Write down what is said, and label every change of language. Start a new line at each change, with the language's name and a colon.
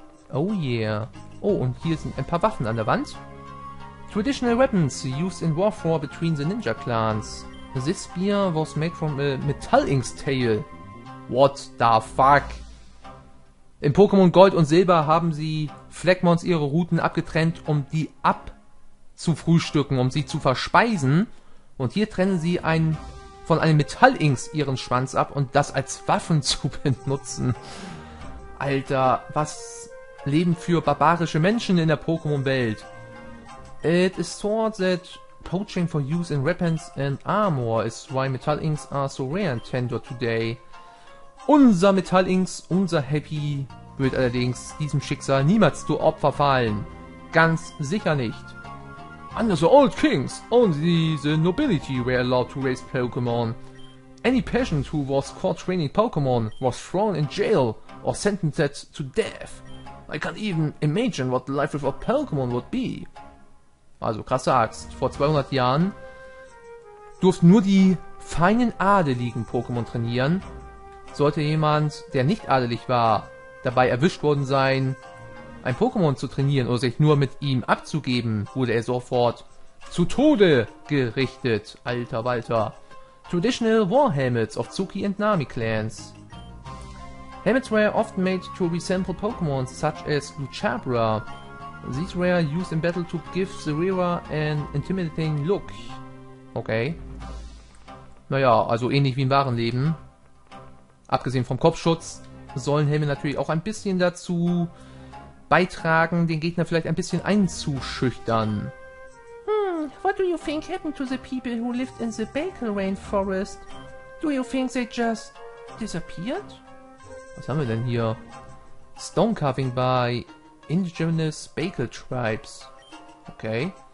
English: Oh yeah.
German: Oh, und hier sind ein paar Waffen an der Wand.
English: Traditional weapons used in warfare between the ninja clans. This spear was made from a metal ink's tail. What the fuck?
German: In Pokémon Gold und Silber haben sie Phlegmons ihre Routen abgetrennt, um die abzufrühstücken, um sie zu verspeisen. Und hier trennen sie von einem Metallinks ihren Schwanz ab und das als Waffen zu benutzen. Alter, was leben für barbarische Menschen in der Pokémon-Welt?
English: It is thought that poaching for use in weapons and armor is why Metallinks are so rare in Tendor today.
German: Unser Metallinks, unser Happy, wird allerdings diesem Schicksal niemals zu Opfer fallen. Ganz sicher nicht.
English: Under the old kings, only the nobility were allowed to raise Pokémon. Any peasant who was caught training Pokémon was thrown in jail or sentenced to death. I can't even imagine what life without Pokémon would be.
German: Also, krasse Axt. Vor 200 Jahren durften nur die feinen Adeligen Pokémon trainieren. Sollte jemand, der nicht adelig war, dabei erwischt worden sein, ein Pokémon zu trainieren oder sich nur mit ihm abzugeben, wurde er sofort zu Tode gerichtet. Alter Walter.
English: Traditional War Helmets of Tsuki and Nami Clans. Helmets were often made to resemble Pokémon such as Luchabra. These were used in battle to give the wearer an intimidating look.
German: Okay. Naja, also ähnlich wie im wahren Leben. Abgesehen vom Kopfschutz sollen Helme natürlich auch ein bisschen dazu beitragen, den Gegner vielleicht ein bisschen einzuschüchtern.
English: What do you think happened to the people who lived in the Bakel Rainforest? Do you think they just disappeared?
German: Was haben wir denn hier?
English: Stone Carving by Indigenous Bakel Tribes. Okay.